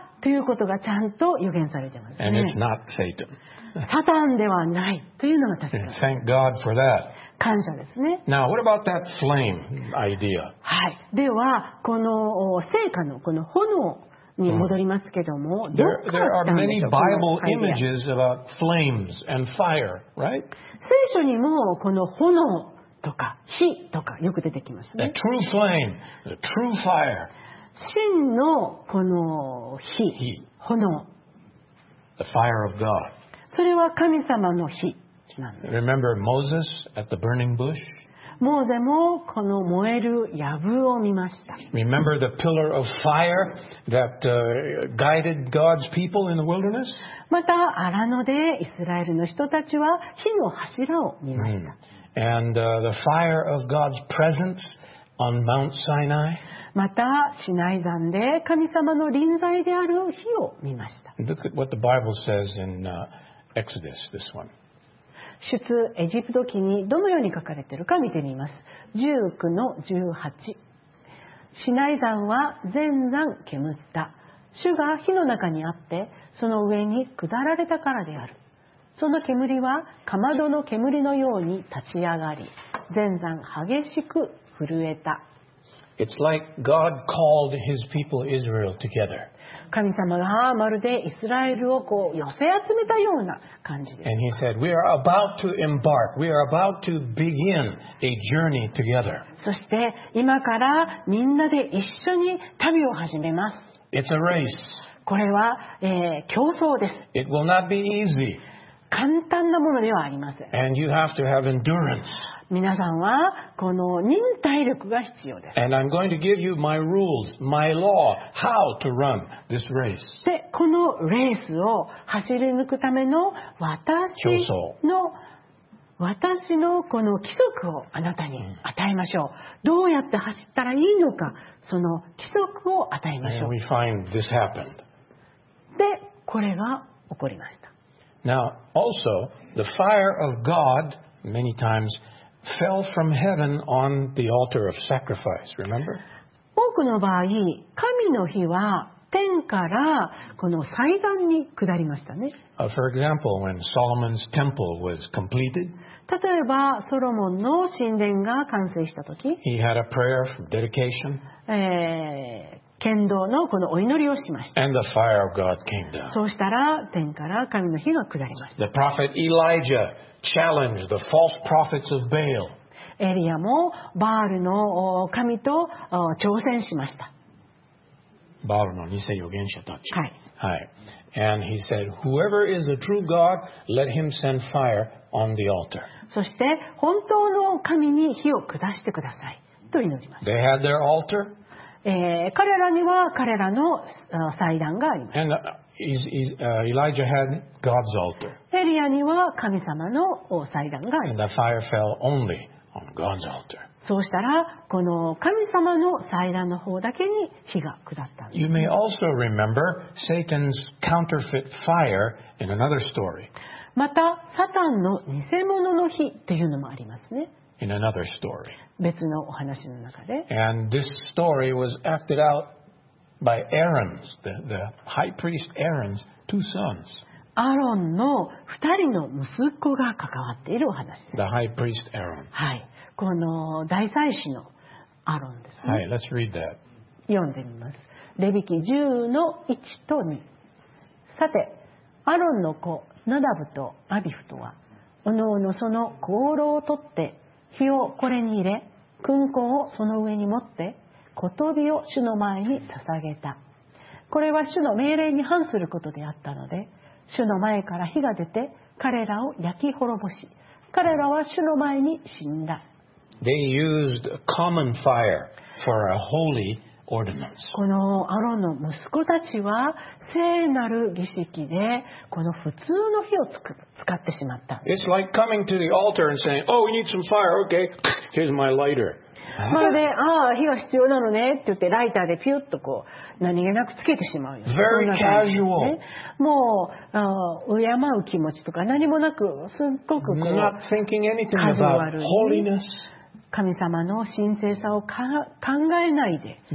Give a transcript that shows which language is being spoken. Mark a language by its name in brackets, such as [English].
[Japanese] ということがちゃんと予言されてますね。 [English] And it's not Satan. [Japanese] サタンではないというのが確かに。 [English] Thank God for that. [Japanese] 感謝ですね。 [English] Now, what about that flame idea? [Japanese] はい。では、この聖火のこの炎に戻りますけども、どこから来たんでしょう。 [English] There are many Bible images about flames and fire, right? [Japanese] 聖書にもこの炎とか火とかよく出てきますね。 [English] The true flame, the true fire. [Japanese] 真のこの火、炎。 [English] The fire of God. [Japanese] それは神様の火なんです。 [English] Remember Moses at the burning bush? [Japanese] モーゼもこの燃えるやぶを見ました。 [English] Remember the pillar of fire that guided God's people in the wilderness? [Japanese] また、アラノでイスラエルの人たちは火の柱を見ました。 Mm. [English] And the fire of God's presence on Mount Sinai? [Japanese] また、シナイ山で神様の臨在である火を見ました。 [English] Look at what the Bible says in Exodus, this one. [Japanese] 出エジプト記にどのように書かれているか見てみます。 19-18。シナイ山は全山煙った。主が火の中にあって、その上に下られたからである。その煙はかまどの煙のように立ち上がり、全山激しく震えた。 [English] It's like God called His people Israel together. [Japanese] 神様がまるでイスラエルをこう寄せ集めたような感じです。 [English] And He said, "We are about to embark. We are about to begin a journey together." [Japanese] そして今からみんなで一緒に旅を始めます。 [English] It's a race. [Japanese] これは、競争です。 [English] It will not be easy. [Japanese] 簡単なものではありません。 [English] And you have to have endurance. [Japanese] 皆さんはこの忍耐力が必要です。 [English] And I'm going to give you my rules, my law, how to run this race. [Japanese] で、このレースを走り抜くための私の私のこの規則をあなたに与えましょう。どうやって走ったらいいのか、その規則を与えましょう。 [English] And we find this happened. [Japanese] で、これが起こりました。 [English] Now, also, the fire of God many times fell from heaven on the altar of sacrifice. Remember? [Japanese] 多くの場合、神の火は天からこの祭壇に下りましたね。 [English] For example, when Solomon's temple was completed, [Japanese] 例えばソロモンの神殿が完成した時、 [English] he had a prayer for dedication, [Japanese] 剣道のこのお祈りをしました。 [English] And the fire of God came down. [Japanese] そうしたら天から神の火が下りました。 [English] The prophet Elijah challenged the false prophets of Baal. [Japanese] エリアもバールの神と挑戦しました。バールの偽預言者たち。はい。はい。 [English] And he said, "Whoever is the true God, let him send fire on the altar." [Japanese] そして本当の神に火を下してくださいと祈ります。 [English] They had their altar. [Japanese] 彼らには彼らの祭壇があります。 [English] And Elijah had God's altar. [Japanese] エリアには神様の祭壇があります。 [English] And the fire fell only on God's altar. [Japanese] そうしたらこの神様の祭壇の方だけに火が下ったんです。 [English] You may also remember Satan's counterfeit fire in another story. [Japanese] またサタンの偽物の火というのもありますね。 [English] In another story. [Japanese] 別のお話の中で。 [English] And this story was acted out by Aaron's, the high priest Aaron's two sons. [Japanese] アロンの2人の息子が関わっているお話です。 [English] The high priest Aaron. [Japanese] はい、この大祭司のアロンですね。 [English] はい、Let's read that. [Japanese] 読んでみます。レビ記10の1と2。さて、アロンの子ナダブとアビフとは、おのおのその香炉を取って、火をこれに入れ、薫香をその上に持って、ことびを主の前に捧げた。これは主の命令に反することであったので、主の前から火が出て彼らを焼き滅ぼし、彼らは主の前に死んだ。 [English] They used common fire for a holy ordinance. [Japanese] このアロンの息子たちは聖なる儀式でこの普通の火を使ってしまった。 [English] It's like coming to the altar and saying, "Oh, we need some fire. Okay, here's my lighter." [Japanese] まるで、ああ火が必要なのねって言ってライターでピュッとこう何気なくつけてしまうよ。 [English] Very casual. [Japanese] もう敬う気持ちとか何もなく、すっごくこう [English] Not thinking anything about holiness. [Japanese] 神様の神聖さを考えないで